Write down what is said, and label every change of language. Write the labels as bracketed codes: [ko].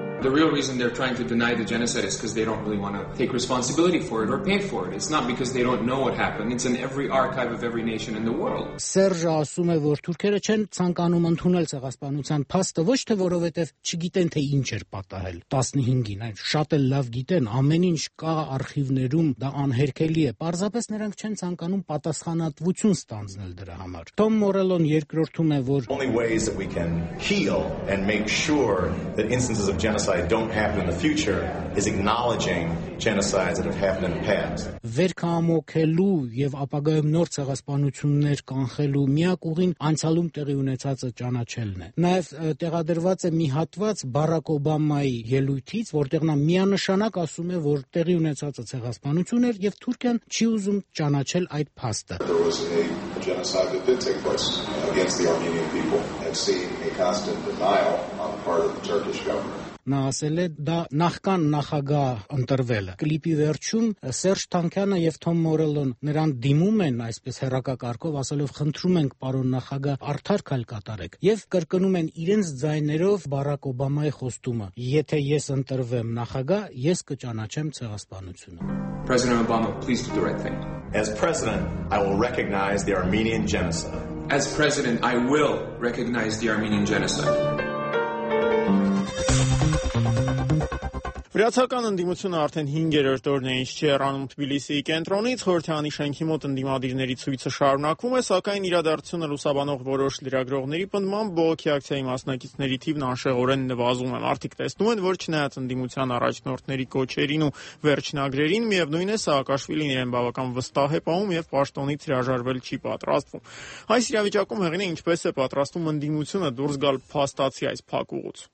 [en] The real reason they're trying to deny the genocide is because they don't really want to take responsibility for it or pay for it. It's not because they don't know what happened. It's in every archive of every nation in the world. [hy] Սերժը ասում է, որ թուրքերը չեն ցանկանում ընդունել ցեղասպանության փաստը, ոչ թե որովհետև չգիտեն, թե ինչ էր պատահել 15-ին, այլ շատ էլ լավ գիտեն, ամեն ինչ կա արխիվներում, դա անհերքելի է։ Պարզապես նրանք չեն ցանկանում պատասխանատվություն ստանձնել դրա համար։ Թոմ Մորելոն երկրորդում է, որ [en] The only ways that we can heal and make sure that instances of genocide genocide don't happen in the future is acknowledging genocides that have happened in the past. [hy] Վերկամոքելու եւ ապագայում նոր ցեղասպանություններ կանխելու միակ ուղին անցյալում տեղի ունեցածը ճանաչելն է։ Նաեւ տեղադրված է մի հատված Բարակ Օբամայի ելույթից, որտեղ նա միանշանակ ասում է, որ տեղի ունեցածը ցեղասպանություն էր եւ Թուրքիան չի ուզում ճանաչել այդ փաստը։ [en] Genocide that did take place against the Armenian people had seen a constant denial on the part of the Turkish government. [hy] Նա ասել է, դա նախկան նախագահ ընտրվելը։ Կլիպի վերջում Սերժ Թանկյանը եւ Թոմ Մորելոն նրան դիմում են այսպես հերակակարգով, ասելով խնդրում ենք պարոն նախագահ արդար քայլ կատարեք եւ կրկնում են իրենց ձայներով Բարակ Օբամայի խոստումը. Եթե ես ընտրվեմ նախագահ, ես կճանաչեմ ցեղասպանությունը. [en] President Obama, please do the right thing. As president, I will recognize the Armenian genocide. As president, I will recognize the Armenian genocide. [hy] Վրացական ընդդիմությունը արդեն 5-րդ օրն է, ինչ չի հեռանում Թբիլիսիի կենտրոնից, խորհրդարանի շենքի մոտ ընդդիմադիրների ցույցը շարունակվում է, սակայն իրադարձությունը լուսաբանող որոշ լրագրողների պնդմամբ բողոքի ակցիայի մասնակիցների թիվն անշեղորեն նվազում է։ Մարդիկ տեսնում են, որ չնայած ընդդիմության առաջնորդների կոչերին ու վերջնագրերին, միևնույն է, Սաակաշվիլին իրեն բավական վստահ է պահում և պաշտոնից հրաժարվել չի պատրաստվում։ Այս իրավիճակում հեղինը ինչպես է պատրաստում ընդդիմությունը դուրս գալ փաստացի այս փակուղից։